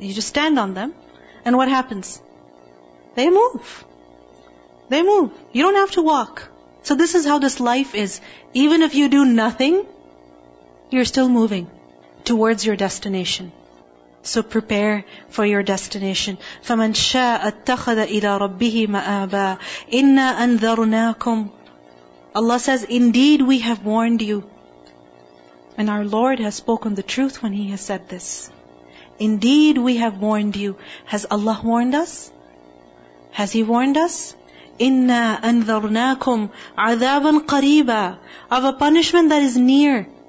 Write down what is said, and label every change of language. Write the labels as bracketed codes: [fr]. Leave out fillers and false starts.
[en] You just stand on them. And what happens? They move. They move. You don't have to walk. So this is how this life is. Even if you do nothing, you're still moving towards your destination. So prepare for your destination. [ar] فَمَنْ شَاءَ اتَّخَذَ إِلَىٰ رَبِّهِ مَآبًا إِنَّا أَنذَرُنَاكُمْ [en] Allah says, indeed we have warned you. And our Lord has spoken the truth when He has said this. Indeed we have warned you. Has Allah warned us? Has He warned us? [ar] إِنَّا أَنذَرْنَاكُمْ عَذَابًا قَرِيبًا [en] Of a punishment that is near.